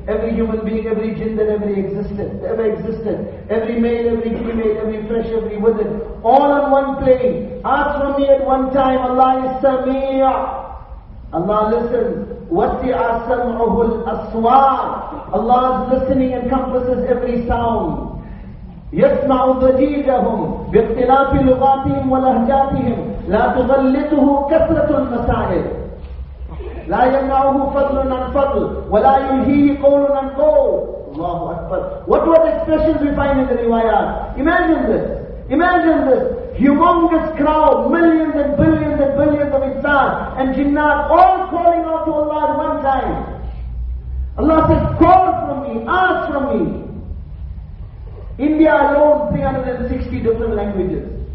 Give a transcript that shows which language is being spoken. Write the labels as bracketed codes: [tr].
[en] Every human being, every jinn that ever existed, every male, every female, every flesh, every wizard, all on one plane. Ask from me at one time, Allah is Sami'a. Allah listens. Wasi'a sam'uhul aswar. Allah's listening encompasses every sound. [ar] يَسْمَعُ ضَجِيجَهُمْ بِاخْتِلَافِ لُغَاتِهِمْ وَلَهْجَاتِهِمْ لَا تُغَلِّتُهُ كَثْرَةُ الْمَسَائِلِ لا يمنعه فضل عن فضل ولا يلهيه قول عن قول الله اكبر [en] What were the expressions we find in the riwayat? Imagine this. Humongous crowd, millions and billions and billions of insan and jinnat all calling out to Allah at one time. Allah says, call from me, ask from me. India alone, 360 different languages.